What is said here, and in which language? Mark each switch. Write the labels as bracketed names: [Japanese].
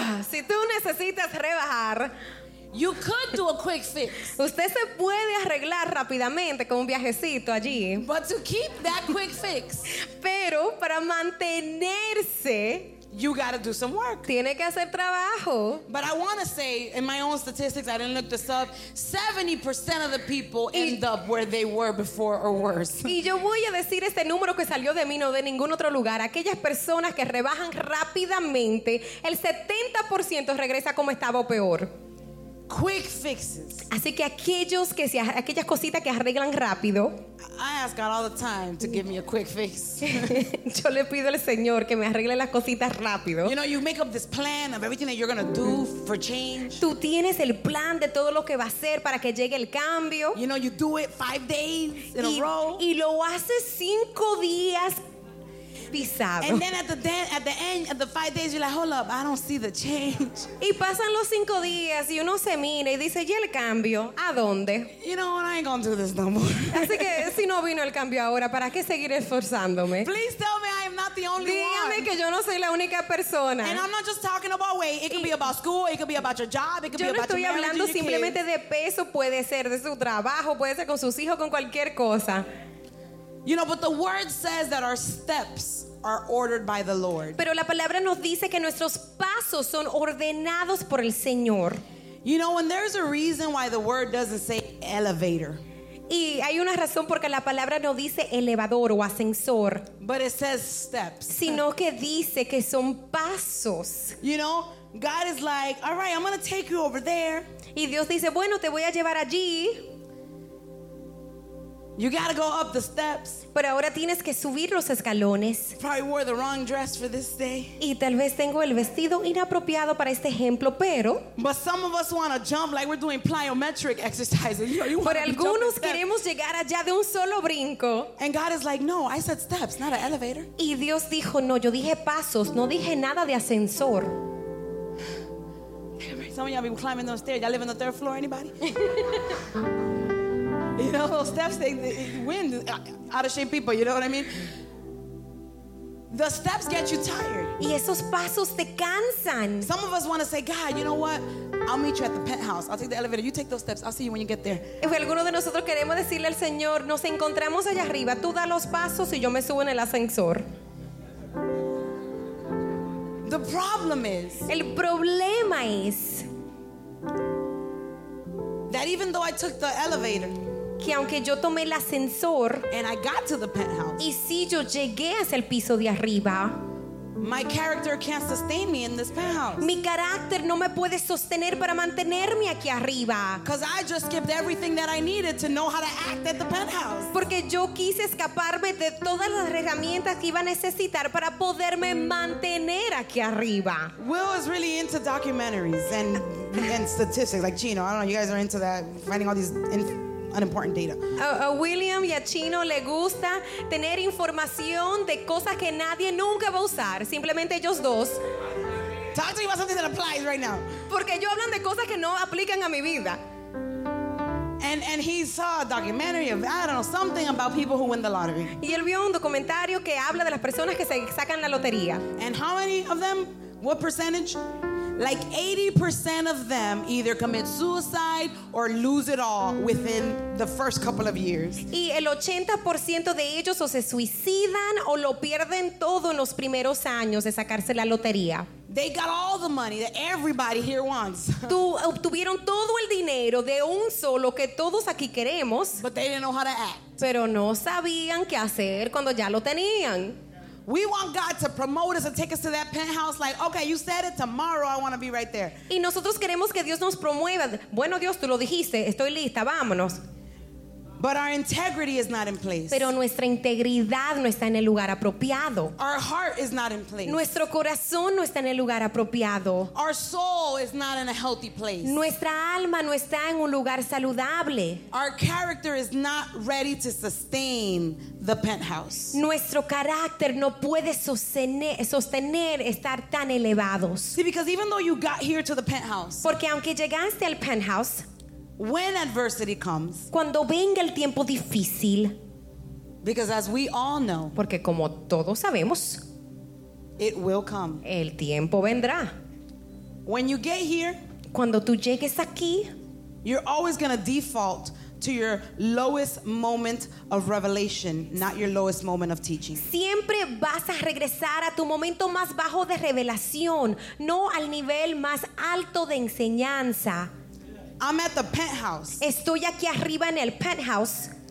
[Spanish] si tú necesitas rebajar, [English] you could do a quick fix. [Spanish] Usted se puede arreglar rápidamente con un viajecito allí. [English] But to keep that quick fix, [Spanish] pero para mantenerse, [English] you gotta do some work. [Spanish] Tiene que hacer trabajo. [English] But I want to say, in my own statistics, I didn't look this up, 70% of the people end up where they were before or worse. [Spanish] Y yo voy a decir este número que salió de mí, no de ningún otro lugar. Aquellas personas que rebajan rápidamente, el 70% regresa como estaba o peor. [English] Quick fixes. [Spanish] Así que aquellas cositas que arreglan rápido. [English] I ask God all the time to give me a quick fix. [Spanish] Yo le pido al Señor que me arregle las cositas rápido. [English] You know, you make up this plan of everything that you're going to do for change. [Spanish] Tú tienes el plan de todo lo que va a hacer para que llegue el cambio. [English] You know, you do it 5 days in a row. [Spanish] Y lo haces 5 días pisado. [English] And then at the end of the 5 days, you're like, hold up, I don't see the change. [Spanish] Y pasan los 5 días y uno se mira y dice, ¿y el cambio? ¿A dónde? [English] You know what? I ain't gonna do this no more. [Spanish] Así que si no vino el cambio ahora, ¿para qué seguir esforzándome? [English] Please tell me I am not the only [Spanish] Dígame [English] one. [Spanish] Dígame que yo no soy la única persona. [English] And I'm not just talking about weight. It could be about school. It could be about your job. It could be about your marriage. [Spanish] Yo no estoy hablando simplemente de peso. Puede ser de su trabajo. Puede ser con sus hijos. Con cualquier cosa. [English] You know, but the word says that our steps are ordered by the Lord. [Spanish] Pero la palabra nos dice que nuestros pasos son ordenados por el Señor. [English] You know, and there's a reason why the word doesn't say elevator. [Spanish] Y hay una razón porque la palabra no dice elevador o ascensor. [English] But it says steps. [Spanish] Sino que dice que son pasos. [English] You know, God is like, all right, I'm going to take you over there. [Spanish] Y Dios dice, bueno, te voy a llevar allí. [English] You got to go up the steps. [Spanish] Pero ahora tienes que subir los escalones. [English] Probably wore the wrong dress for this day. [Spanish] Y tal vez tengo el vestido inapropiado para este ejemplo, pero. [English] But some of us want to jump like we're doing plyometric exercises. [Spanish] Por algunos queremos llegar allá de un solo brinco. [English] And God is like, no, I said steps, not an elevator. [Spanish] Y Dios dijo, no, yo dije pasos, no dije nada de ascensor. [English] Some of y'all be climbing those stairs. Y'all live on the third floor, anybody? You know, those steps, wind, out of shape people, you know what I mean? The steps get you tired. [Spanish] Y esos pasos te cansan. [English] Some of us want to say, God, you know what? I'll meet you at the penthouse. I'll take the elevator. You take those steps. I'll see you when you get there. [Spanish] Y algunos de nosotros queremos decirle al Señor, nos encontramos allá arriba. Tú da los pasos y yo me subo en el ascensor. [English] The problem is. [Spanish] El problema es. [English] That even though I took the elevator. [Spanish] Que aunque yo tomé el ascensor, [English] and I got to the penthouse, [Spanish] y si yo llegué hasta el piso de arriba, [English] my character can't sustain me in this penthouse. [Spanish] Mi carácter no me puede sostener para mantenerme aquí arriba. [English] Because I just skipped everything that I needed to know how to act at the penthouse. [Spanish] Porque yo quise escaparme de todas las herramientas que iba a necesitar para poderme mantener aquí arriba. [English] Will is really into documentaries and statistics, like Chino. I don't know, you guys are into that, finding all these unimportant data. [Spanish] William y a Chino le gusta tener información de cosas que nadie nunca va a usar, simplemente ellos dos. [English] Talk to me about something that applies right now. [Spanish] Porque ellos hablan de cosas que no aplican a mi vida. [English] And he saw a documentary of, I don't know, something about people who win the lottery. [Spanish] Y él vio un documentario que habla de las personas que se sacan la lotería. [English] And how many of them? What percentage? Like 80% of them either commit suicide or lose it all within the first couple of years. [Spanish] Y el 80% de ellos o se suicidan o lo pierden todo en los primeros años de sacarse la lotería. [English] They got all the money that everybody here wants. [Spanish] Tú obtuvieron todo el dinero de un solo que todos aquí queremos. [English] But they didn't know how to act. [Spanish] Pero no sabían qué hacer cuando ya lo tenían. [English] We want God to promote us and take us to that penthouse like, okay, you said it, tomorrow I want to be right there. [Spanish] Y nosotros queremos que Dios nos promueva. Bueno, Dios, tú lo dijiste, estoy lista, vámonos. [English] But our integrity is not in place. [Spanish] Pero nuestra integridad no está en el lugar apropiado. [English] Our heart is not in place. [Spanish] Nuestro corazón no está en el lugar apropiado. [English] Our soul is not in a healthy place. [Spanish] Nuestra alma no está en un lugar saludable. [English] Our character is not ready to sustain the penthouse. [Spanish] Nuestro carácter no puede sostener estar tan elevados. [English] See, because even though you got here to the penthouse. [Spanish] Porque aunque llegaste al penthouse. [English] When adversity comes, [Spanish] cuando venga el tiempo difícil, [English] because as we all know, [Spanish] porque como todos sabemos, [English] it will come. [Spanish] El tiempo vendrá. [English] When you get here, [Spanish] cuando tú llegues aquí, [English] you're always going to default to your lowest moment of revelation, not your lowest moment of teaching. [Spanish] Siempre vas a regresar a tu momento más bajo de revelación, no al nivel más alto de enseñanza. [English] I'm at the penthouse. [Spanish] Estoy aquí arriba en el penthouse.